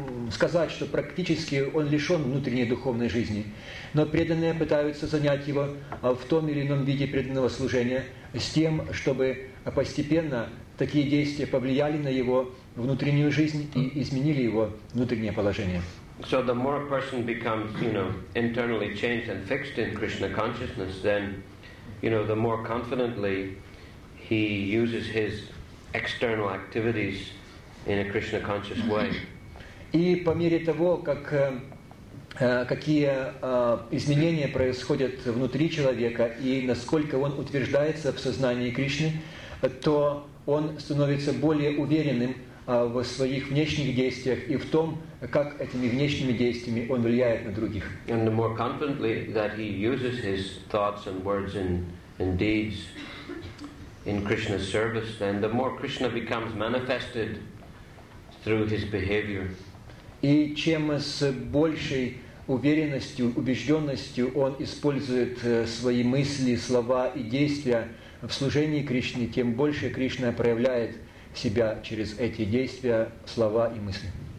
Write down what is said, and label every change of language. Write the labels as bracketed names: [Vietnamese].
[Russian] сказать, что практически он лишен внутренней духовной жизни, но преданные пытаются занять его в том или ином виде преданного служения с тем, чтобы постепенно такие действия повлияли на его внутреннюю жизнь и изменили его внутреннее положение. [English] So the more a person becomes, you know, internally changed and fixed in Krishna consciousness, then, you know, the more confidently he uses his external activities in a Krishna conscious way. [Russian] И по мере того, как какие изменения происходят внутри человека и насколько он утверждается в сознании Кришны, то он становится более уверенным в своих внешних действиях и в том, как этими внешними действиями он влияет на других. [English] And the more confidently that he uses his thoughts and words and deeds in Krishna's service, then the more Krishna becomes manifested through his behavior. [Russian] И чем с большей уверенностью, убежденностью он использует свои мысли, слова и действия в служении Кришне, тем больше Кришна проявляет себя через эти действия, слова и мысли.